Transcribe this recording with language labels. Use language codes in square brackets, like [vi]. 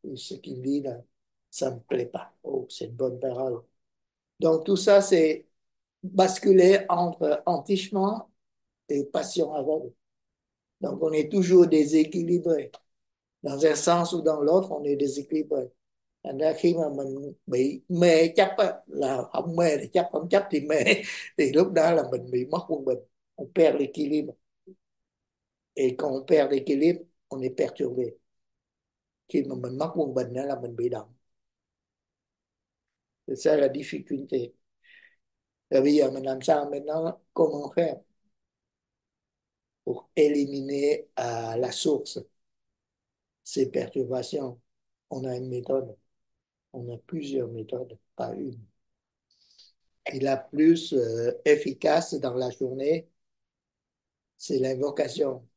[fr] Ce qu'il dit, là, ça ne me plaît pas. Oh, c'est une bonne parole. Donc tout ça, c'est basculer entre entichement et passion aveugle. Donc, on est toujours déséquilibré. Dans un sens ou dans l'autre, on est déséquilibré. Et là, [vi] khi mà mình bị mê chấp, là không mê thì chấp, không chấp thì mê, thì lúc đó là mình bị mất quân bình, [fr] on perd l'équilibre. Et quand on perd l'équilibre, on est perturbé. [vi] Khi mà mình mất quân bình, là mình bị động. [fr] C'est ça la difficulté. Et [vi] bây giờ, mình làm sao [fr] maintenant, comment faire pour éliminer à la source ces perturbations? On a une méthode. On a plusieurs méthodes, pas une. Et la plus efficace dans la journée, c'est l'invocation.